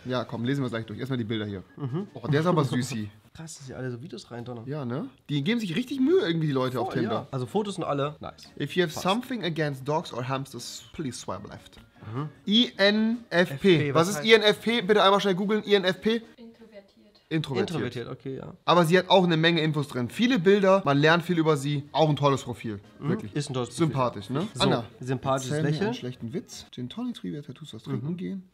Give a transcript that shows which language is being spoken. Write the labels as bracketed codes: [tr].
[de] Ja, komm, lesen wir es gleich durch. Erstmal die Bilder hier. Mhm. Oh, der ist aber süßi. Krass, dass sie alle so Videos reindonnern. Ja, ne? Die geben sich richtig Mühe, irgendwie, die Leute auf Tinder. Ja. Also Fotos und alle. Nice. [en] If you have something against dogs or hamsters, please swipe left. Mhm. [de] INFP. Was ist INFP? Bitte einmal schnell googeln. INFP. Introvertiert, okay, ja. Aber sie hat auch eine Menge Infos drin. Viele Bilder, man lernt viel über sie. Auch ein tolles Profil. Mhm. Wirklich. Ist ein tolles Profil. Sympathisch, ne? So, Anna. Sympathisches Lächeln. Einen schlechten Witz. Gin Tonic Trivia Tattoos aus Trinken gehen.